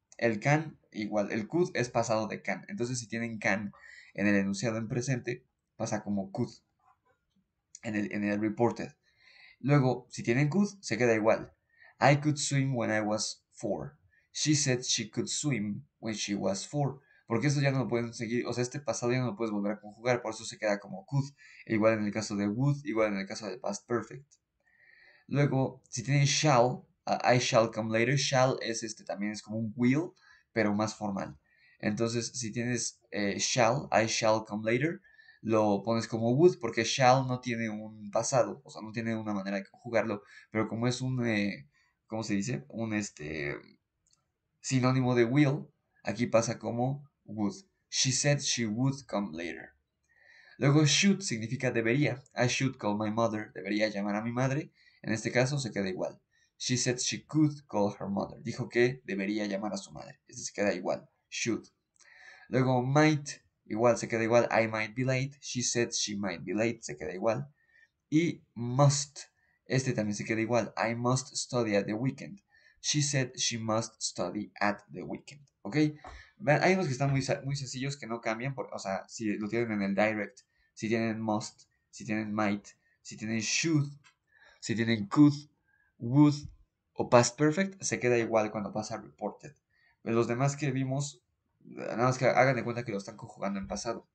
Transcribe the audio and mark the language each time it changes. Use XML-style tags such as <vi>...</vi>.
<es>El can igual, el could es pasado de can. Entonces, si tienen can en el enunciado en presente, pasa como could en el reported. Luego, si tienen could, se queda igual.</es> <en>I could swim when I was four. She said she could swim when she was four.</en> <es>Porque eso ya no lo pueden seguir. O sea, este pasado ya no lo puedes volver a conjugar. Por eso se queda como could. E igual en el caso de would, igual en el caso del past perfect. Luego, si tienen shall,</es> <en>I shall come later.</en> <es>Shall es este, también es como un will, pero más formal. Entonces, si tienes shall,</es> <en>I shall come later,</en> <es>lo pones como would porque shall no tiene un pasado, o sea, no tiene una manera de conjugarlo, pero como es un, ¿cómo se dice? Un sinónimo de will, aquí pasa como would.</es> <en>She said she would come later.</en> <es>Luego, should significa debería.</es> <en>I should call my mother.</en> <es>Debería llamar a mi madre. En este caso se queda igual.</es> <en>She said she could call her mother.</en> <es>Dijo que debería llamar a su madre. Este se queda igual. Should. Luego, might. Igual, se queda igual.</es> <en>I might be late. She said she might be late.</en> <es>Se queda igual. Y must. Este también se queda igual.</es> <en>I must study at the weekend. She said she must study at the weekend. ¿Ok?</en> <es>Vean, hay unos que están muy, muy sencillos que no cambian. Por, o sea, si lo tienen en el direct, si tienen must, si tienen might, si tienen should, si tienen could, would o past perfect, se queda igual cuando pasa a reported. Los demás que vimos, nada más que hagan de cuenta que lo están conjugando en pasado.</es>